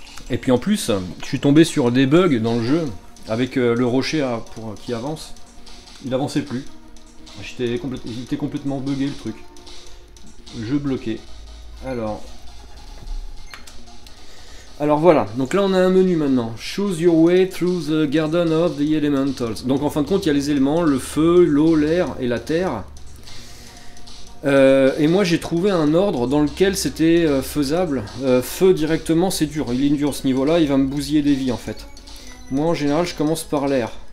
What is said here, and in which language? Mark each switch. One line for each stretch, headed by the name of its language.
French: Et puis en plus, je suis tombé sur des bugs dans le jeu, avec le rocher qui avance. Il n'avançait plus. Il était complètement bugué le truc. Jeu bloqué. Alors voilà, donc là on a un menu maintenant.
English: Choose your way through the garden of the elementals.
French: Donc en fin de compte, il y a les éléments, le feu, l'eau, l'air et la terre. Et moi j'ai trouvé un ordre dans lequel c'était faisable. Feu directement c'est dur, il est dur ce niveau-là, il va me bousiller des vies en fait. Moi en général je commence par l'air.